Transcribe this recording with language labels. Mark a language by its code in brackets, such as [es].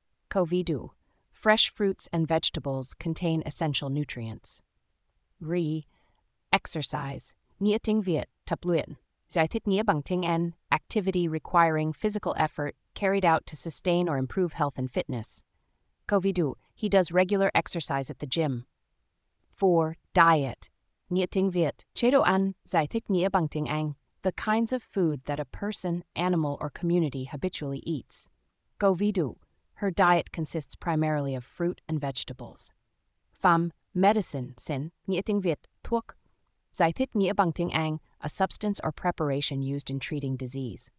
[vi] Câu ví dụ, [en] fresh fruits and vegetables contain essential nutrients. 3. [vi] Exercise, nghĩa tiếng Việt, tập luyện. Giải thích nghĩa bằng tiếng Anh, [en] activity requiring physical effort carried out to sustain or improve health and fitness. [vi] Câu ví dụ, [en] he does regular exercise at the gym. 4. [vi] Diet, nghĩa tiếng Việt, chế độ ăn. Giải thích nghĩa bằng tiếng Anh, [en] the kinds of food that a person, animal or community habitually eats. [vi] Câu ví dụ, [en] her diet consists primarily of fruit and vegetables. 5. [vi] Medicine, sin, nghĩa tiếng Việt, thuốc. Giải thích nghĩa bằng tiếng Anh, [en] a substance or preparation used in treating disease.